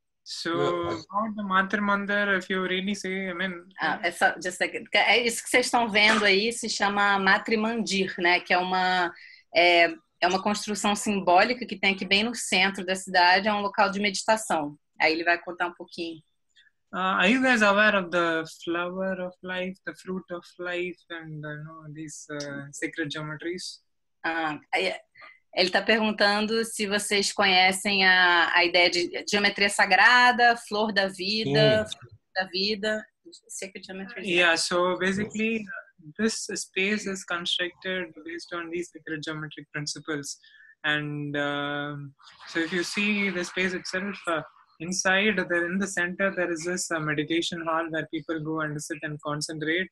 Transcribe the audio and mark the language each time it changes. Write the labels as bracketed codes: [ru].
[en] So, the Mantra Mandir, if you really say, I mean... [pt] Isso que vocês estão vendo aí se chama Mantra Mandir, né? Que é uma construção simbólica que tem aqui bem no centro da cidade, é um local de meditação. Aí ele vai contar um pouquinho. [en] Are you guys aware of the flower of life, the fruit of life, and you know, these sacred geometries? [pt] Ele está perguntando se vocês conhecem a ideia de geometria sagrada, flor da vida, [en] sacred geometries. Yeah, so basically, this space is constructed based on these sacred geometric principles. And so if you see the space itself, inside, there, in the center, there is this meditation hall where people go and sit and concentrate.